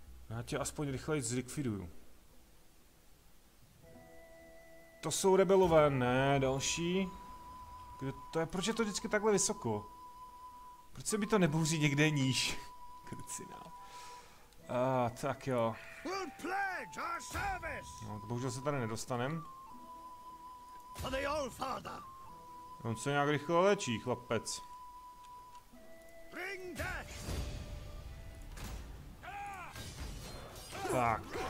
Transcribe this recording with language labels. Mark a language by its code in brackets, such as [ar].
[cs] Já tě aspoň rychleji zlikviduju. To jsou rebelové, ne, další. Kde to je, proč je to vždycky takhle vysoko? Proč se mi to nebouří někde níž? Krucina. Tak jo. [en] We'll pledge our service. [cs] No, bohužel se tady nedostanem. [en] For the old father. [cs] On se nějak rychle léčí, chlapec. [en] Bring death. [cs] Tak.